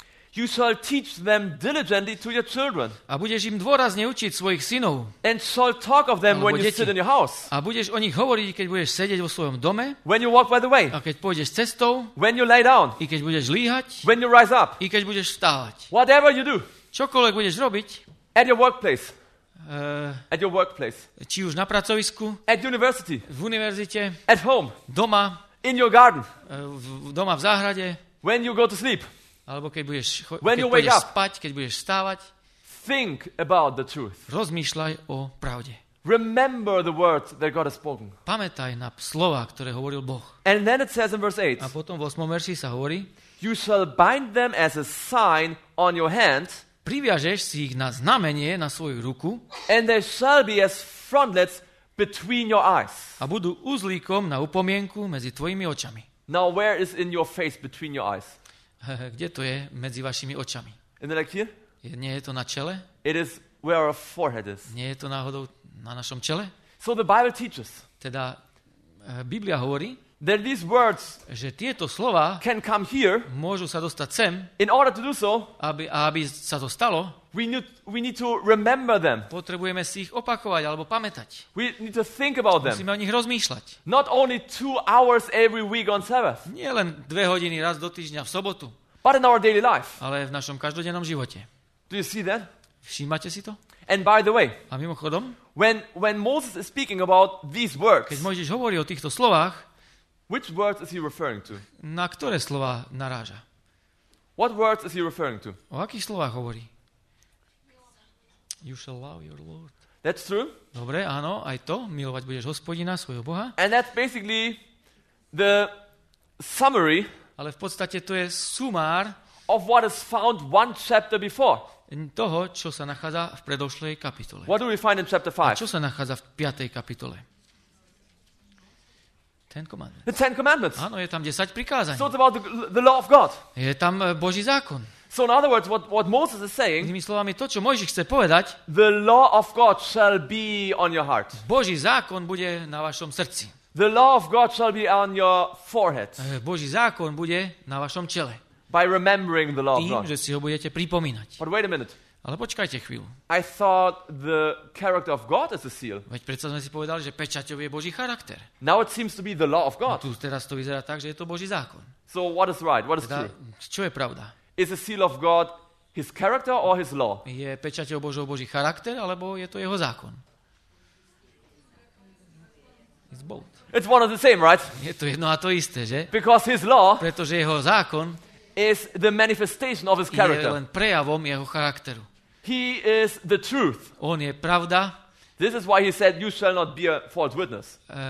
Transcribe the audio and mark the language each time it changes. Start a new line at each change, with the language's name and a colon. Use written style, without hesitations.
English: You shall teach them diligently to your children.
Slovak: A budeš im dôrazne učiť svojich synov.
English: And shall talk of them when you sit in your house.
Slovak: A budeš o nich hovoriť, keď budeš sedieť vo svojom dome.
English: When you walk by the way.
Slovak: A keď pôjdeš cestou.
English: When you lay down.
Slovak: I keď budeš líhať.
English: When you rise up.
Slovak: I keď budeš vstávať.
English: Whatever you do.
Slovak: Čokoľvek budeš robiť.
English: At your workplace. At your workplace.
Slovak: Či už na pracovisku.
English: At university.
Slovak: V univerzite.
English: At home.
Slovak: Doma.
English: In your garden.
Slovak: Doma v záhrade.
English: When you go to sleep.
Slovak: Alebo keď budeš spať, keď budeš stávať.
English: Think about the truth.
Slovak: Rozmýšľaj o pravde.
English: Remember the words that God has spoken.
Slovak: Pamätaj na slova, ktoré hovoril Boh.
English: And then it says in verse 8.
Slovak: A potom v 8. verši sa hovorí.
English: You shall bind them as a sign on your hand.
Slovak: Priviažeš si ich na znamenie na svoju ruku.
English: And they shall be as frontlets between your eyes.
Slovak: A budú uzlíkom na upomienku medzi tvojimi očami.
English: Now where is in your face between your eyes?
Slovak: Kde to je medzi vašimi očami?
English: Like
Slovak: je, nie je to na čele?
English: It is where our forehead is.
Slovak: Nie je to náhodou na našom čele?
English: So the Bible teaches.
Slovak: Teda Biblia hovorí,
English: that these words
Slovak: že tieto slova
English: can come here,
Slovak: môžu sa dostať sem.
English: In order to do so,
Slovak: aby sa to stalo,
English: we need to remember them.
Slovak: Potrebujeme si ich opakovať alebo pamätať.
English: We need to think about them.
Slovak: Musíme o nich rozmýšľať.
English: Not only 2 hours every week on Sabbath.
Slovak: Nie len 2 hodiny raz do týždňa v sobotu.
English: But in our daily life.
Slovak: Ale v našom každodennom živote.
English: Do you see that?
Slovak: Všímate si to?
English: And by the way,
Slovak: a mimochodom,
English: when Moses is speaking about these words,
Slovak: keď Mojžiš hovorí o týchto slovách,
English: which words is he referring to?
Slovak: Na ktoré slova naráža?
English: What words is he referring to?
Slovak: O akých slovách hovorí?
English: You shall love your Lord. That's true.
Slovak: Dobre, áno, aj to. Milovať budeš Hospodina, svojho Boha.
English: And that's basically the summary.
Slovak: Ale v podstate to je sumár
English: of what is found one chapter before.
Slovak: Toho, čo sa nachádza v predošlej kapitole.
English: What do we find in chapter 5?
Slovak: Čo sa nachádza v 5. kapitole?
English: Ten commandments. The Ten Commandments.
Slovak: Áno, je tam 10 prikázaní.
English: So it's about the law of God.
Slovak: Je tam Boží zákon.
English: So in other words, what Moses is saying,
Slovak: inými slovami to, čo Mojžiš chce povedať,
English: the law of God shall be on your heart.
Slovak: Boží zákon bude na vašom srdci.
English: The law of God shall be on your forehead.
Slovak: Boží zákon bude na vašom čele.
English: By remembering the law of God.
Slovak: Tým, že si ho budete pripomínať.
English: But wait a minute.
Slovak: Ale počkajte chvíľu.
English: I thought the character of God is a seal.
Slovak: Veď predsa sme si povedali, že pečaťou je Boží charakter.
English: Now it seems to be the law of God.
Slovak: No tu teraz to vyzerá tak, že je to Boží zákon.
English: So what is right? What is true?
Slovak: Čo je pravda?
English: Is the seal of God his character or his law?
Slovak: Je pečaťou Božou Boží charakter, alebo je to jeho zákon?
English: It's both. It's one of the same, right?
Slovak: Je to jedno a to isté, že?
English: Because his law,
Slovak: pretože jeho zákon,
English: is the manifestation of his character.
Slovak: Je len prejavom jeho charakteru.
English: He is the truth.
Slovak: On je pravda.
English: This is why he said you shall not be a false witness.